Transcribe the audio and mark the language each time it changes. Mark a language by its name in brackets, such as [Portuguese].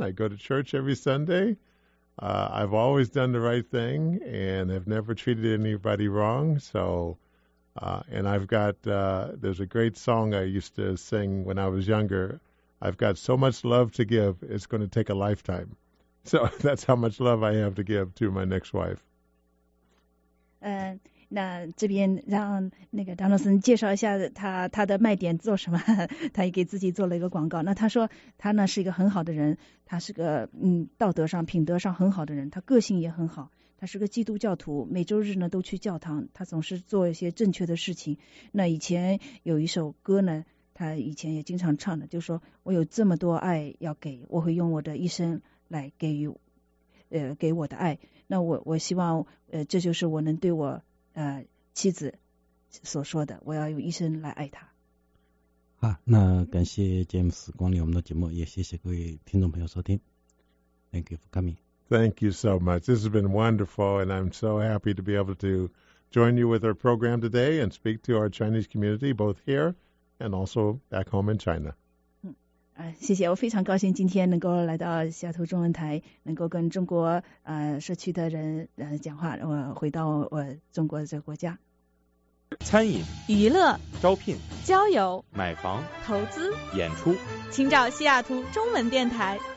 [English] I go to church every Sunday. I've always done the right thing and have never treated anybody wrong. So. And I've got, there's a great song I used to sing when I was younger. I've got so much love to give, it's going to take a lifetime. So that's how much love I have to give to my next wife. [Chinese] 那这边让那个张老师介绍一下他的卖点做什么。他也给自己做了一个广告。那他说他呢是一个很好的人，他是个道德上品德上很好的人，他个性也很好。他是个基督教徒，每周日呢都去教堂，他总是做一些正确的事情。那以前有一首歌呢，他以前也经常唱的，就说我有这么多爱要给，我会用我的一生来给予，给我的爱。那我希望，这就是我能对我妻子所说的，我要用一生来爱她。好，那感谢 James 光临我们的节目，也谢谢各位听众朋友收听。 [English] Thank you for coming. Thank you so much. This has been wonderful, and I'm so happy to be able to join you with our program today and speak to our Chinese community, both here and also back home in China. [Chinese] 谢谢，我非常高兴今天能够来到西雅图中文台，能够跟中国社区的人讲话，我回到我中国这个国家。餐饮、娱乐、招聘、交友、买房、投资、演出，请找西雅图中文电台。